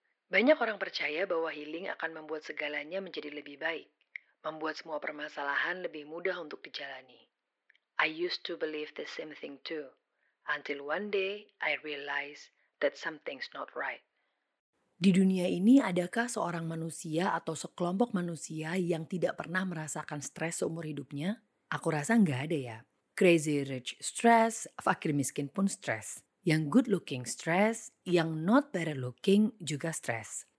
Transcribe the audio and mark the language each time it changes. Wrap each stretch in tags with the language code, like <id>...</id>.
<id>Banyak orang percaya bahwa healing akan membuat segalanya menjadi lebih baik, membuat semua permasalahan lebih mudah untuk dijalani.</id> <en>I used to believe the same thing too, until one day I realized that something's not right.</en> <id>Di dunia ini, adakah seorang manusia atau sekelompok manusia yang tidak pernah merasakan stres seumur hidupnya? Aku rasa nggak ada ya. Crazy rich stress, fakir miskin pun stres. Yang good looking stress, yang not better looking juga stress.</id>